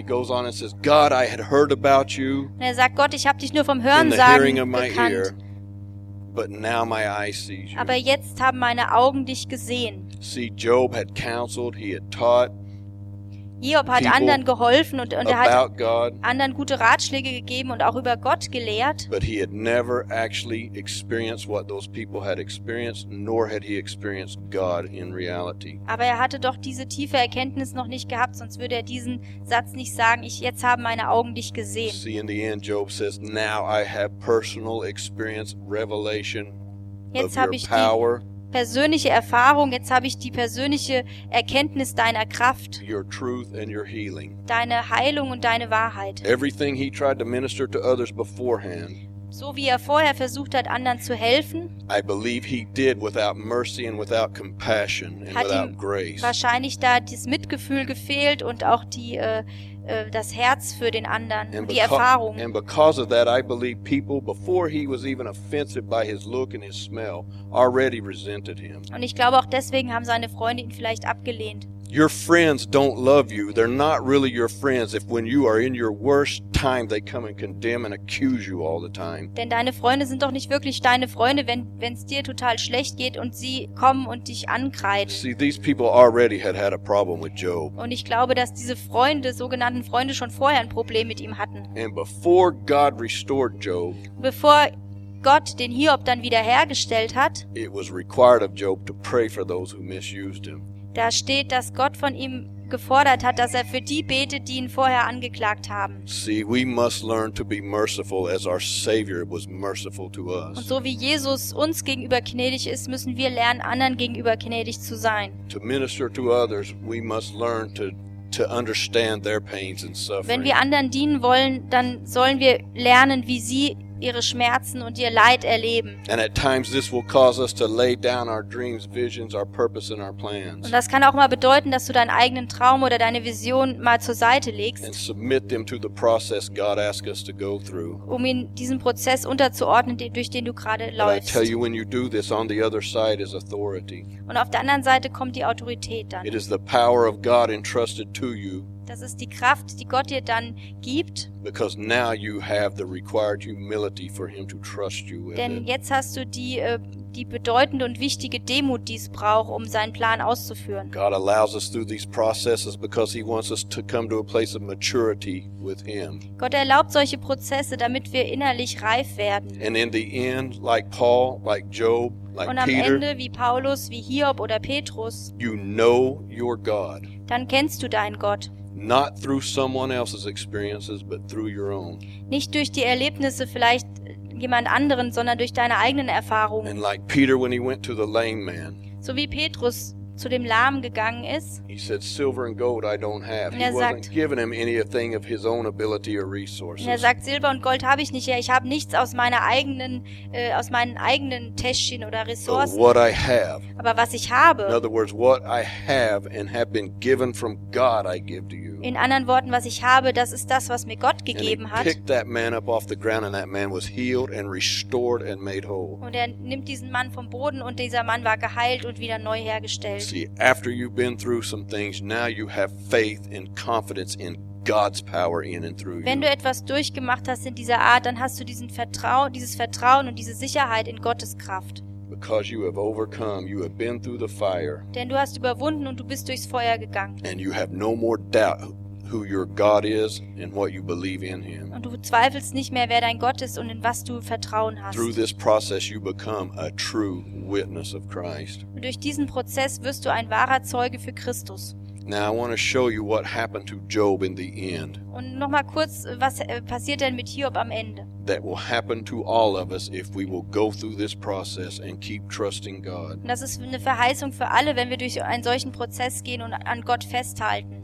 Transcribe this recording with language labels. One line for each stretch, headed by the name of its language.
English: And he goes on and says, God, I had heard about you.
German: Und er sagt, Gott, ich habe dich nur vom Hörensagen gekannt.
English: But now my eyes see you.
German: Aber jetzt haben meine Augen dich gesehen.
English: See, Job had counseled, he had taught.
German: Hiob hat anderen geholfen und er hat anderen gute Ratschläge gegeben und auch über Gott gelehrt.
English: But he had never actually experienced what those people had experienced, nor had he experienced God in reality.
German: Aber er hatte doch diese tiefe Erkenntnis noch nicht gehabt, sonst würde er diesen Satz nicht sagen, jetzt haben meine Augen dich gesehen.
English: See, in the end, Job says, now I have personal experience, revelation
German: jetzt
English: of your power.
German: Persönliche Erfahrung, jetzt habe ich die persönliche Erkenntnis deiner Kraft,
English: your truth and your healing.
German: Deine Heilung und deine Wahrheit.
English: Everything he tried to minister to others beforehand.
German: So wie er vorher versucht hat, anderen zu helfen,
English: I believe he did without mercy and without compassion and
German: hat
English: without
German: ihm
English: grace.
German: Wahrscheinlich da das Mitgefühl gefehlt und auch die das Herz für den anderen, die Erfahrung.
English: And because of that, I believe people, before he was even offensive by his look and his smell, already resented him.
German: Und ich glaube auch deswegen haben seine Freunde ihn vielleicht abgelehnt.
English: Your friends don't love you. They're not really your friends if when you are in your worst time they come and condemn and accuse you all the time.
German: Denn deine Freunde sind doch nicht wirklich deine Freunde, wenn es dir total schlecht geht und sie kommen und dich ankreiden.
English: See, these people already had a problem with Job.
German: Und ich glaube, dass diese Freunde, sogenannten Freunde, schon vorher ein Problem mit ihm hatten.
English: And before God restored Job.
German: Bevor Gott den Hiob dann wiederhergestellt hat.
English: It was required of Job to pray for those who misused him.
German: Da steht, dass Gott von ihm gefordert hat, dass er für die betet, die ihn vorher angeklagt haben.
English: See, we must learn to be merciful as our Savior was merciful to us.
German: Und so wie Jesus uns gegenüber gnädig ist, müssen wir lernen, anderen gegenüber gnädig zu sein.
English: To minister to others, we must learn to understand their pains and suffering.
German: Wenn wir anderen dienen wollen, dann sollen wir lernen, wie sie ihre Schmerzen und ihr Leid erleben.
English: And at times this will cause us to lay down our dreams, visions, our purpose and our plans.
German: Und das kann auch mal bedeuten, dass du deinen eigenen Traum oder deine Vision mal zur Seite legst.
English: And submit them to the process God asks us to go through.
German: Um ihn diesen Prozess unterzuordnen, durch den du gerade läufst.
English: But I tell you, when you do this, on the other side is authority.
German: Und auf der anderen Seite kommt die Autorität dann.
English: It is the power of God entrusted to you.
German: Das ist die Kraft, die Gott dir dann gibt.
English: Because now you have the required humility for him to trust you with.
German: Denn jetzt hast du die bedeutende und wichtige Demut, die es braucht, um seinen Plan auszuführen.
English: God allows us through these processes because he wants us to come to a place of maturity with him.
German: Gott erlaubt solche Prozesse, damit wir innerlich reif werden.
English: And in the end, like Paul, like Job, like
German: Peter. Und am
English: Peter,
German: Ende wie Paulus, wie Hiob oder Petrus.
English: You know your God.
German: Dann kennst du deinen Gott.
English: Not through someone else's experiences, but through your own.
German: Nicht durch die Erlebnisse vielleicht jemand anderen, sondern durch deine eigenen Erfahrungen.
English: And like Peter, when he went to the lame man.
German: So wie Petrus zu dem Lahmen gegangen ist.
English: He said, "Silver and gold I don't have."
German: Und er
English: he
German: sagt,
English: wasn't giving him anything of his own ability or resources.
German: Und er sagt, Silber und Gold habe ich nicht. Ich habe nichts aus meinen eigenen Täschchen oder Ressourcen.
English: But what I have.
German: Aber was ich habe.
English: In other words, what I have and have been given from God, I give to you.
German: In anderen Worten, was ich habe, das ist das, was mir Gott gegeben hat.
English: And he picked that man up off the ground, and that man was healed and restored and made whole.
German: Und er nimmt diesen Mann vom Boden, und dieser Mann war geheilt und wieder neu hergestellt.
English: See, after you've been through some things, now you have faith and confidence in God's power in and through you.
German: Wenn du etwas durchgemacht hast in dieser Art, dann hast du dieses Vertrauen und diese Sicherheit in Gottes Kraft.
English: Because you have overcome, you have been through the fire.
German: Denn du hast überwunden und du bist durchs Feuer gegangen.
English: And you have no more doubt who your God is and what you believe in him.
German: Und du zweifelst nicht mehr, wer dein Gott ist und in was du Vertrauen hast.
English: Through this process you become a true witness of Christ.
German: Und durch diesen Prozess wirst du ein wahrer Zeuge für Christus.
English: Now I want to show you what happened to Job in the end.
German: Und noch mal kurz, was passiert denn mit Hiob am Ende?
English: That will happen to all of us if we will go through this process and keep trusting God.
German: Das ist eine Verheißung für alle, wenn wir durch einen solchen Prozess gehen und an Gott festhalten.